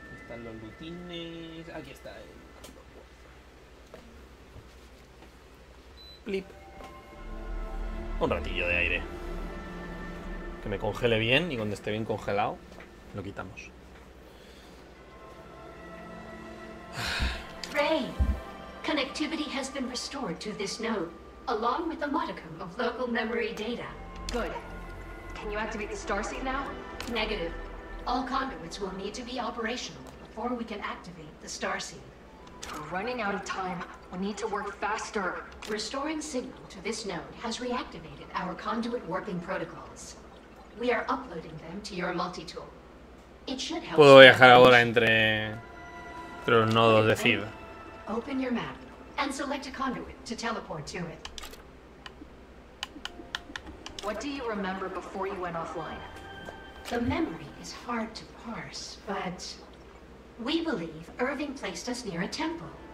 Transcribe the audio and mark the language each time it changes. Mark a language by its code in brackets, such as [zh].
[es] Los lutines. Aquí está el. Flip. Un ratillo de aire. Que me congele bien y cuando esté bien congelado, lo quitamos. [en] Ray, connectivity has been restored to this node, along with a modicum of local memory data. Good. Can you activate the starseed now? Negative. All conduits will need to be operational. Before we can activate the starseed. We're running out of time. We need to work faster. Restoring signal to this node has reactivated our conduit warping protocols. We are uploading them to your multi-tool. It should help. [es] Puedo viajar ahora entre los nodos de FIB. [en] Open your map and select a conduit to teleport to it. What do you remember before you went offline? The memory is hard to parse, but. We believe Irving placed us near a temple.